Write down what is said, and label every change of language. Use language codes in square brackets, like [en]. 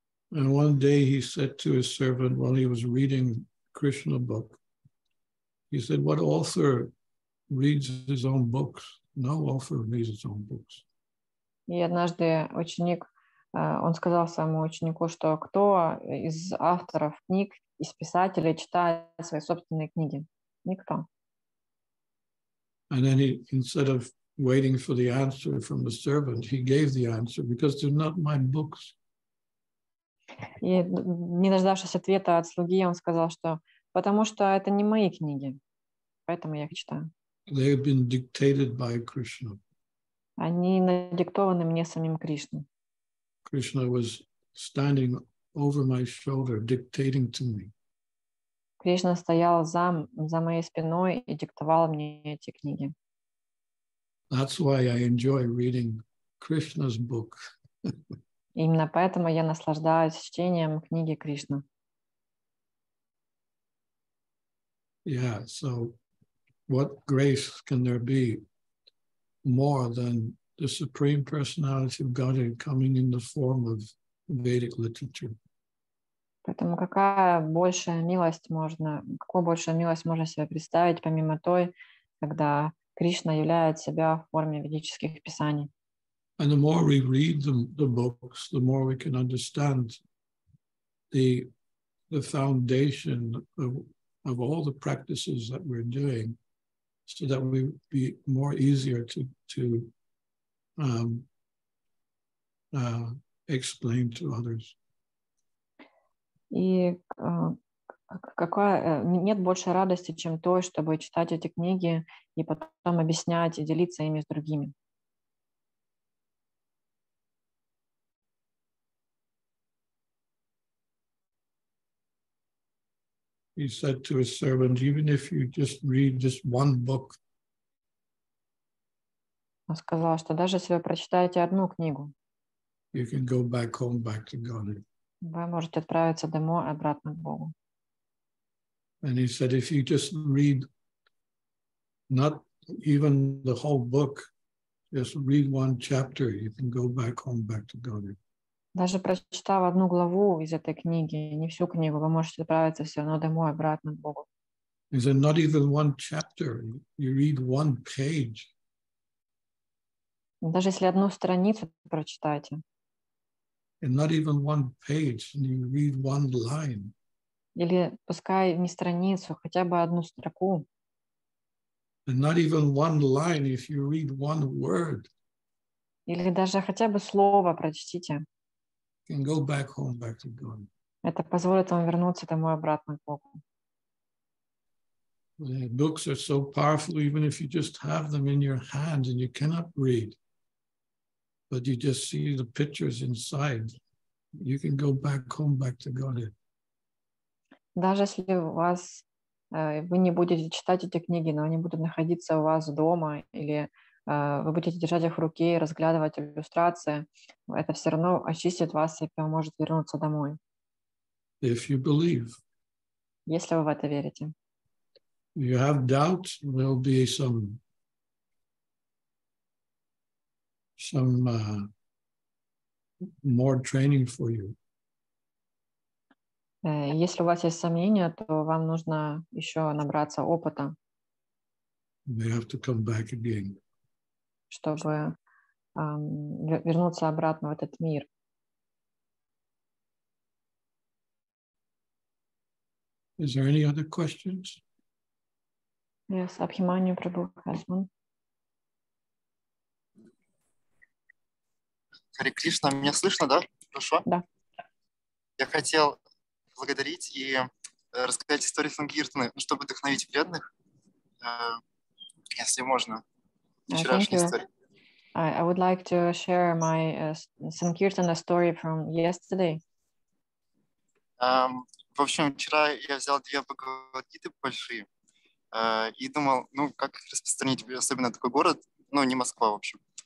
[en] And one day he said to his servant while he was reading Krishna book, he said, what author reads his own books? No author reads his own books. [ru] И однажды ученик, он сказал своему ученику, что кто из авторов книг, из писателей читает свои собственные книги? Никто. [en] And then he, instead of waiting for the answer from the servant, he gave the answer, because they're not my books. [ru] И не дождавшись ответа от слуги, он сказал, что потому что это не мои книги, поэтому я их читаю. [en] They have been dictated by Krishna. [ru] Они надиктованы мне самим Кришной. [en] Krishna was standing over my shoulder, dictating to me. [ru] Кришна стоял за моей спиной и диктовал мне эти книги. [en] That's why I enjoy reading Krishna's book. [ru] Именно поэтому я наслаждаюсь чтением книги Кришны. [en] Yeah, so what grace can there be more than the Supreme Personality of Godhead coming in the form of Vedic literature? [ru] Поэтому какую большую милость можно себе представить, помимо той, когда Кришна являет себя в форме ведических писаний? [en] And the more we read the books, the more we can understand the foundation of all the practices that we're doing, so that we be more easier to explain to others. [ru] И нет больше радости, чем то, чтобы читать эти книги и потом объяснять и делиться ими с другими. [en] He said to his servant, even if you just read this one book. [ru] Он сказал, что даже если вы прочитаете одну книгу, [en] you can go back home, back to Godhead. [ru] Вы можете отправиться домой обратно к Богу. [en] And he said, if you just read not even the whole book, just read one chapter, you can go back home, back to Godhead. [ru] Даже прочитав одну главу из этой книги, не всю книгу, вы можете отправиться все равно домой, обратно к Богу. [en] Is it not even one chapter? You read one page. [ru] Даже если одну страницу прочитаете. [en] And not even one page, you read one line. [ru] Или пускай не страницу, хотя бы одну строку. [en] And not even one line, if you read one word. [ru] Или даже хотя бы слово прочтите. [en] Can go back home, back to God. [ru] Это позволит вам вернуться домой обратно к Богу. [en] The books are so powerful, even if you just have them in your hand and you cannot read, but you just see the pictures inside, you can go back home, back to God. [ru] Даже если у вас вы не будете читать эти книги, но они будут находиться у вас дома, или вы будете держать их в руке и разглядывать иллюстрации, это все равно очистит вас и поможет вернуться домой. [en] If you believe. [ru] Если вы в это верите. [en] If you have doubts, there'll be some more training for you. [ru] Если у вас есть сомнения, то вам нужно еще набраться опыта. [en] We have to come back again. [ru] Чтобы вернуться обратно в этот мир. [en] Is there any other questions? Yes, Abhimanyu Prabhu has one. [ru] Hare Krishna, меня слышно, да? Хорошо? Да. Я хотел благодарить и рассказать историю Сангиртаны, чтобы вдохновить бедных, если можно, вчерашнюю историю. [en] I would like to share my Sankirtana story from yesterday. [ru] В общем, вчера я взял две Бхагавад-гиты большие и думал, ну, как их распространить, особенно такой город, ну, не Москва, в общем.